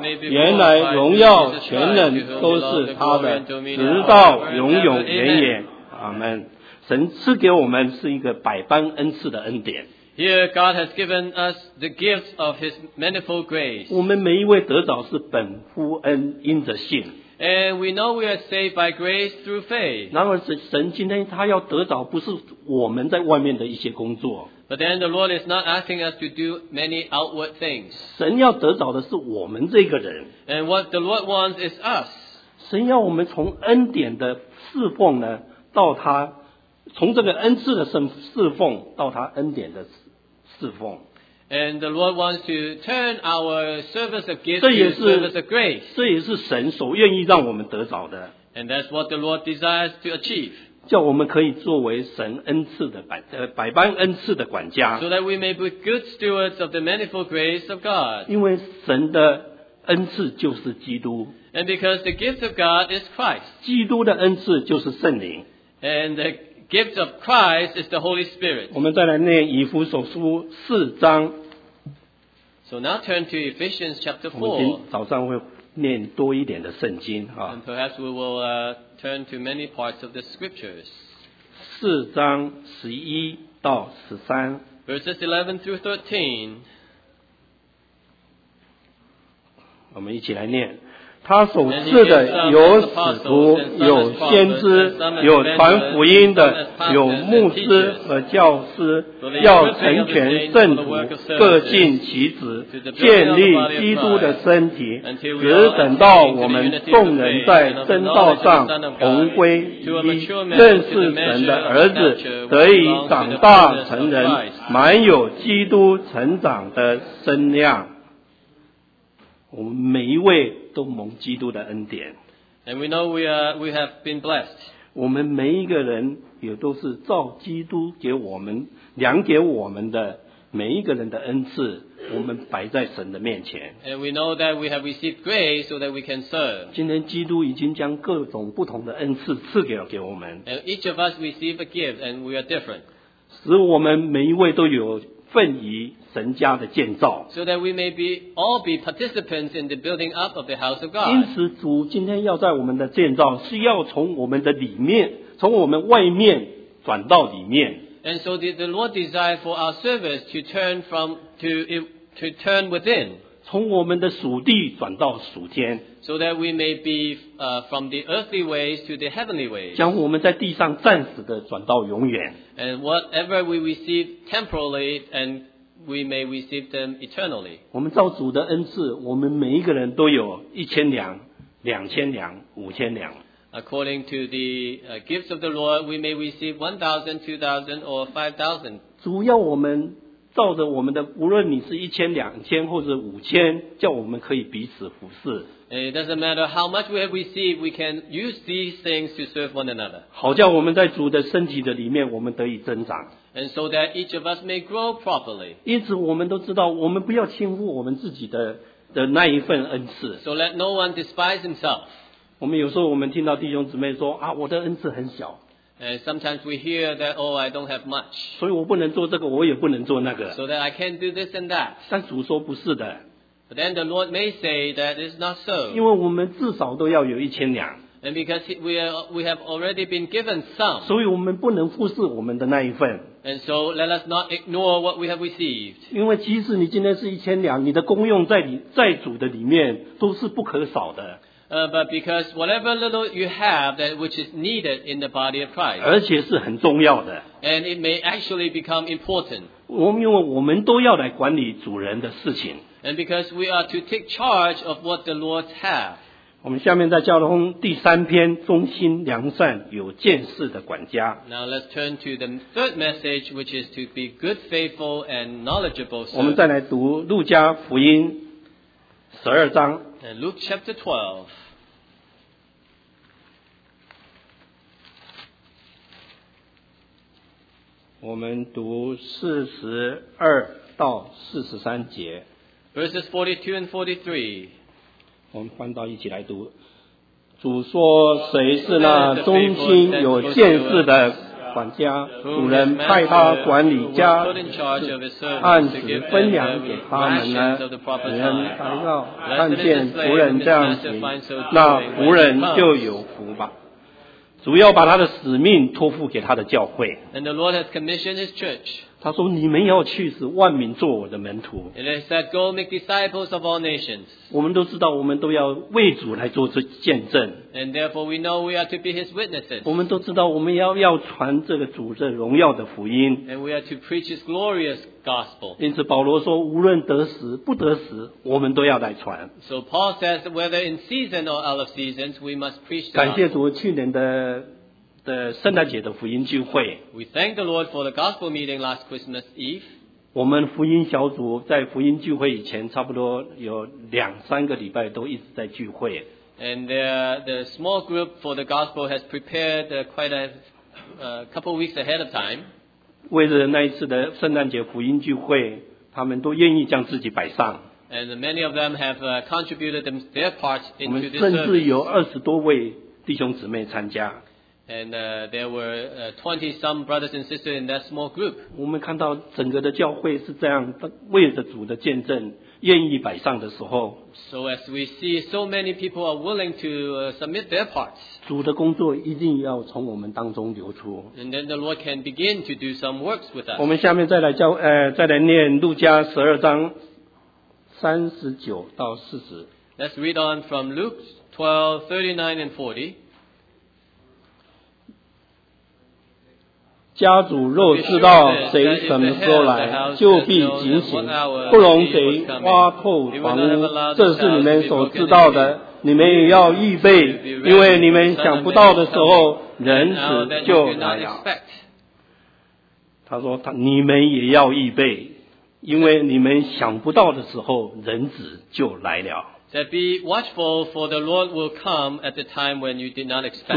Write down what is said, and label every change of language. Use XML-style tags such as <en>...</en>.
<zh>原来荣耀全能都是他的，直到永永远远。阿们。神赐给我们是一个百般恩赐的恩典。</zh> <en>Here God has given us the gifts of His manifold grace.</en> <zh>我们每一位得着是本乎恩，因着信。</zh> <en>And we know we are saved by grace through faith.</en> <zh>然而神今天他要得着不是我们在外面的一些工作。</zh> <en>But then the Lord is not asking us to do many outward things.</en> <zh>神要得着的是我们这个人。</zh> <en>And what the Lord wants is us.</en> <zh>神要我们从恩典的侍奉呢，到他从这个恩赐的侍奉到他恩典的侍奉。</zh> <en>And the Lord wants to turn our service of gifts to service of grace.</en> <zh>这也是神所愿意让我们得着的。</zh> <en>And that's what the Lord desires to achieve.</en> <zh>叫我们可以作为神恩赐的百般恩赐的管家。</zh> <en>So that we may be good stewards of the manifold grace of God.</en> <zh>因为神的恩赐就是基督。</zh> <en>And because the gift of God is Christ.</en> <zh>基督的恩赐就是圣灵。</zh> <en>And the gift of Christ is the Holy Spirit.</en> <zh>我们再来念以弗所书四章。</zh> <en>So now turn to Ephesians chapter 4.</en> <zh>我们今天早上会念多一点的圣经。</zh> <en>And perhaps we will, turn to many parts of the scriptures.</en> <zh>四章十一到十三。</zh> <en>Verses 11 through 13.</en> <zh>我们一起来念，他所赐的有使徒，有先知，有传福音的，有牧师和教师，要成全圣徒，各尽其职，建立基督的身体，只等到我们众人在真道上同归一，认识神的儿子，得以长大成人，满有基督成长的身量。我们每一位都蒙基督的恩典。</zh> <en>And we know we have been blessed.</en> <zh>我们每一个人也都是照基督给我们量给我们的每一个人的恩赐，我们摆在神的面前。</zh> <en>And we know that we have received grace so that we can serve.</en> <zh>今天基督已经将各种不同的恩赐赐给了给我们。</zh> <en>And each of us receive a gift and we are different.</en> <zh>使我们每一位都有奋于神家的建造。</zh> <en>So that we may be, all be participants in the building up of the house of God.</en> <zh>因此主今天要在我们的建造是要从我们的里面，从我们外面转到里面。</zh> <en>And so the Lord desire for our service to turn from, to turn within.</en> <zh>从我们的属地转到属天。</zh> <en>So that we may be, from the earthly ways to the heavenly ways.</en> <zh>将我们在地上暂时的转到永远。</zh> <en>And whatever we receive temporally and we may receive them eternally.</en> <zh>我们照主的恩赐，我们每一个人都有一千两、两千两、五千两。</zh> <en>According to the gifts of the Lord, we may receive 1,000, 2,000, or 5,000.</en> <zh>主要我们照着我们的，无论你是一千、两千或者五千，叫我们可以彼此服侍。</zh> <en>It doesn't matter how much we have received, we can use these things to serve one another.</en> <zh>好叫我们在主的身体的里面，我们得以增长。</zh> <en>And so that each of us may grow properly.</en> <zh>因此我们都知道，我们不要轻忽我们自己的那一份恩赐。</zh> <en>So let no one despise himself.</en> <zh>我们有时候我们听到弟兄姊妹说啊，我的恩赐很小。</zh> <en>And sometimes we hear that, oh, I don't have much.</en> <zh>所以我不能做这个，我也不能做那个。</zh> <en>So that I can't do this and that.</en> <zh>但主说不是的。</zh> <en>But then the Lord may say that it's not so.</en> <zh>因为我们至少都要有一千两。</zh> <en>And because we have already been given some.</en> <zh>所以我们不能忽视我们的那一份。</zh> <en>And so let us not ignore what we have received.</en> <zh>因为即使你今天是一千两，你的功用在主的里面都是不可少的。</zh> <en>But because whatever little you have that which is needed in the body of Christ.</en> <zh>而且是很重要的。</zh> <en>And it may actually become important.</en> <zh>因为我们都要来管理主人的事情。</zh> <en>And because we are to take charge of what the Lord has.</en> <zh>我们下面在教宗第三篇忠心良善有见识的管家。</zh> <en>Now let's turn to the third message, which is to be good, faithful, and knowledgeable.</en> <zh>我们再来读路加福音十二章。</zh> <en>And Luke chapter 12.</en> <zh>我们读四十二到四十三节。</zh> <en>Verses 42 and 43.</en> <zh>我们翻到一起来读。主说谁是那忠心有见识的管家，主人派他管理家按时分粮给他们呢？人来到看见仆人这样行，那仆人就有福吧。主要把他的使命托付给他的教会。</zh> <en>And the Lord has commissioned his church.</en> <zh>他说你们要去使万民做我的门徒。</zh> <en>And it said, go make disciples of all nations.</en> <zh>我们都知道我们都要为主来做这见证。</zh> <en>And therefore we know we are to be his witnesses.</en> <zh>我们都知道我们要传这个主这荣耀的福音。</zh> <en>And we are to preach his glorious gospel.</en> <zh>因此保罗说无论得时不得时我们都要来传。</zh> <en>So Paul says that whether in season or out of seasons, we must preach the gospel.</en> <zh>感谢主去年的圣诞节的福音聚会。</zh> <en>We thank the Lord for the gospel meeting last Christmas Eve.</en> <zh>我们福音小组在福音聚会以前差不多有两三个礼拜都一直在聚会。</zh> <en>And the small group for the gospel has prepared quite a couple weeks ahead of time.</en> <zh>为了那一次的圣诞节福音聚会，他们都愿意将自己摆上。</zh> <en>And many of them have contributed their part into this service.</en> <zh>我们甚至有二十多位弟兄姊妹参加。</zh> <en>And there were 20-some brothers and sisters in that small group.</en> <zh>我们看到整个的教会是这样，为着主的见证，愿意摆上的时候。</zh> <en>So as we see, so many people are willing to submit their parts.</en> <zh>主的工作一定要从我们当中流出。</zh> <en>And then the Lord can begin to do some works with us.</en> <zh>我们下面再来念路加十二章三十九到四十。</zh> <en>Let's read on from Luke 12:39-40.</en> <zh>家主若知道谁什么时候来，就必警醒，不容谁挖透房屋。这是你们所知道的，你们也要预备，因为你们想不到的时候，人子就来了。他说，你们也要预备，因为你们想不到的时候，人子就来了。</zh> <en>That be watchful, for the Lord will come at the time when you did not expect.</en>